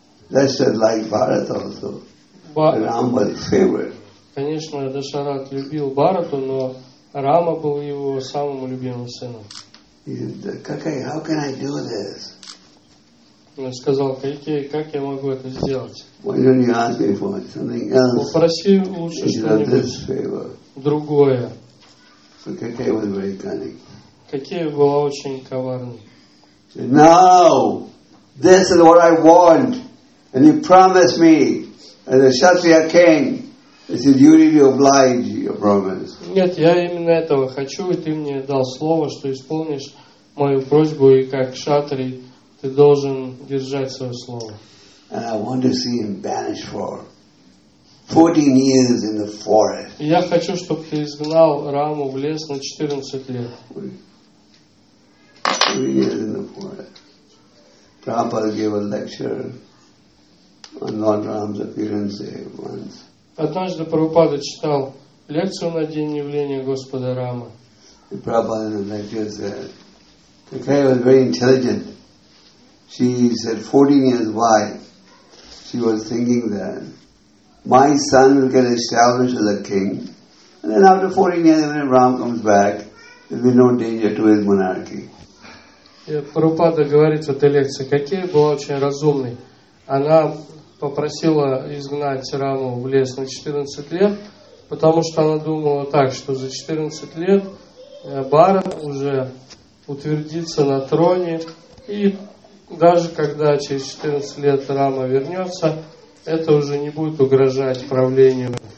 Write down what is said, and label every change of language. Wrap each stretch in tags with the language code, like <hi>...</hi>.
<en>That's like Bharat also. Ram was favorite.</en> <ru>Конечно, Дашарат любил Бхарату, но Рама был его самым любимым сыном.</ru> <en>Кайкей, how can I do this?</en> <ru>Он сказал, Кайкей, как я могу это сделать?</ru> <en>Why don't you ask me for something else?</en> <ru>Попроси лучше что-нибудь другое.</ru> <en>So Kakai was very cunning.</en> <ru>Кайкей была очень коварной.</ru> <en>No, this is what I want, and you promised me as a Kshatriya king. He said, "You really oblige your promise."</en> <ru>Нет, я именно этого хочу, и ты мне дал слово, что исполнишь мою просьбу, и как кшатри ты должен держать свое слово.</ru> <en>And I want to see him banished for 14 years in the forest.</en> <ru>Я хочу, чтобы ты изгнал Раму в лес на 14 лет.</ru> <en>14 years in the forest. Prabhupada gave a lecture on Lord Ram's appearance once.</en> <ru>Однажды Прабхупада читал лекцию на день явления Господа Рамы. И Прабхупада на лекции сказал, Кайкеи</ru> <en>was very intelligent. She said, 14 years why? She was thinking that my son will get established as a king, and then after 14 years when Ram comes back, there will be no danger to his monarchy.</en> <ru>И Прабхупада говорит в этой лекции, Кайкеи была очень разумной. Она попросила изгнать Раму в лес на 14 лет, потому что она думала так, что за 14 лет Бхарат уже утвердится на троне, и даже когда через 14 лет Рама вернется, это уже не будет угрожать правлению.</ru>